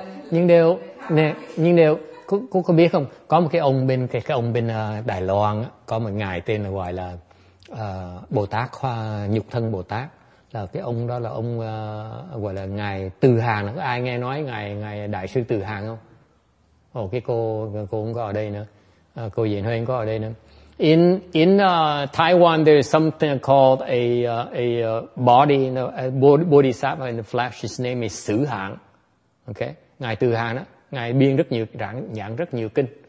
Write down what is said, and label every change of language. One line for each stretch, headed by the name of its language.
Vietnamese: nhưng đều cũng có biết không, có một cái ông bên Đài Loan đó, có một ngài tên là gọi là Bồ Tát Khoa Nhục Thân Bồ Tát, là cái ông đó là ông gọi là ngài Từ Hàng, có ai nghe nói ngài đại sư Từ Hàng không? Ồ, cái cô không có ở đây nữa, cô Diễn Huyên có ở đây nữa.
English: In Taiwan there is something called a body, you know, a bodhisattva in the flesh, his name is Sử Hạng.
Vietnamese: Okay, ngài Từ Hàng đó, ngài biên rất nhiều giảng rất nhiều kinh.